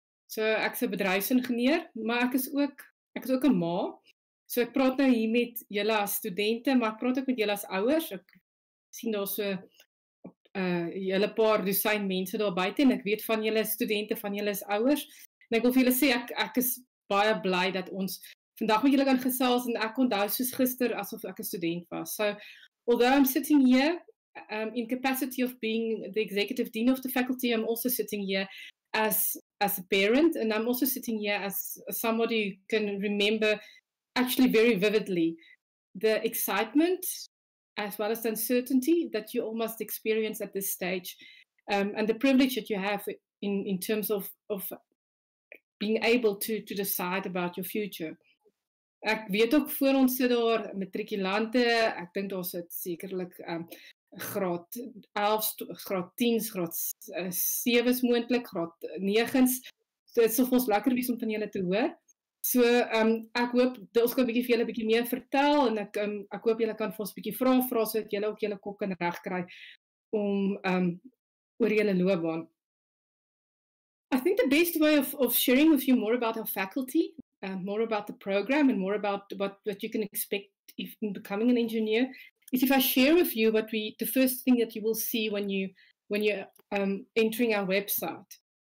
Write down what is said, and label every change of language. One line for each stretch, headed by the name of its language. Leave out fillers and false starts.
Afrikaans: So ek's 'n bedryfsingenieur, maar ek is ook 'n ma. So ek praat nou hier met julle as studente, maar ek praat ook met julle as ouers. Ek sien daar so 'n paar dosyn mense daar buite en ek weet van julle studente, van julle is ouers. En ek wil vir julle sê ek is baie bly dat ons vandag met julle kan gesels en ek onthou soos gister asof ek 'n student was.
English: So although I'm sitting here in capacity of being the executive dean of the faculty, I'm also sitting here as a parent, and I'm also sitting here as somebody who can remember actually very vividly the excitement as well as the uncertainty that you almost experience at this stage, and the privilege that you have in terms of being able to decide about your future.
Afrikaans: Ek weet ook voor ons sit daar matrikulante, ek dink daar sit sekerlik graad 11, graad 10, graad 7 is moontlik, graad 9s. So dit sal ons lekker wees om van julle te hoor. So ek hoop dat ons kan 'n bietjie vir julle 'n bietjie meer vertel en ek hoop julle kan vir ons 'n bietjie vra sodat julle ook julle kop kan regkry om oor julle loopbaan.
English: I think the best way of sharing with you more about our faculty, more about the program and more about what you can expect if in becoming an engineer, is if I share with you what we the first thing that you will see when you're entering our website.